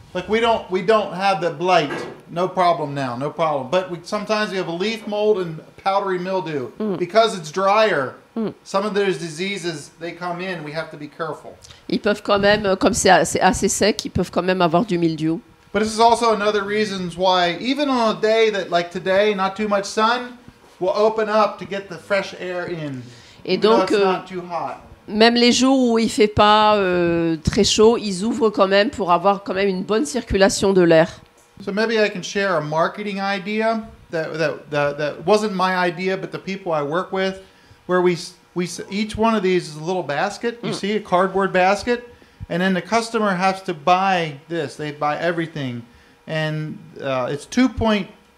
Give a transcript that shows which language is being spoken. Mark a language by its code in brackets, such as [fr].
[en] Like we don't have the blight, no problem now, no problem. But sometimes we have a leaf mold and powdery mildew. Because it's drier. Some of those diseases, they come in, we have to be careful. [fr] Ils peuvent quand même, comme c'est assez sec, ils peuvent quand même avoir du mildiou. [en] But this is also another reason why, even on a day that, like today, not too much sun, we'll open up to get the fresh air in. [fr] Et donc, même les jours où il ne fait pas très chaud, ils ouvrent quand même pour avoir quand même une bonne circulation de l'air. [en] So maybe I can share a marketing idea that wasn't my idea, but the people I work with. Where we each one of these is a little basket, you see, a cardboard basket, and then the customer has to buy this. They buy everything, and it's 2.25.